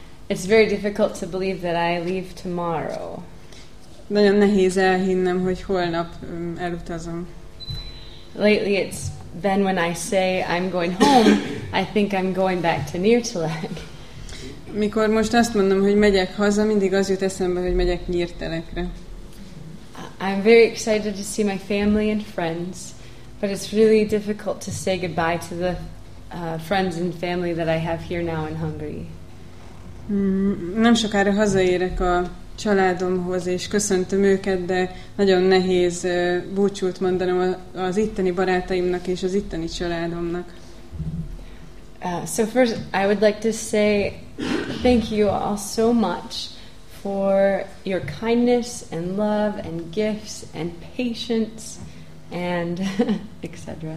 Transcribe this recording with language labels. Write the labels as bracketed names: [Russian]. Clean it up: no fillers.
[English] It's very difficult to believe that I leave tomorrow. [Hungarian] Nagyon nehéz elhinnem, hogy holnap elutazom. [English] Lately it's been when I say I'm going home, I think I'm going back to Nyírtalek. [Hungarian] Mikor most azt mondom, hogy megyek haza, mindig az jut eszembe, hogy megyek Nyírtalekre. [English] I'm very excited to see my family and friends, but it's really difficult to say goodbye to the friends and family that I have here now in Hungary. [Hungarian] Nem sokára hazaérek a családomhoz, és köszöntöm őket, de nagyon nehéz búcsút mondanom az itteni barátaimnak és az itteni családomnak. [English] So first, I would like to say thank you all so much for your kindness and love and gifts and patience and etc.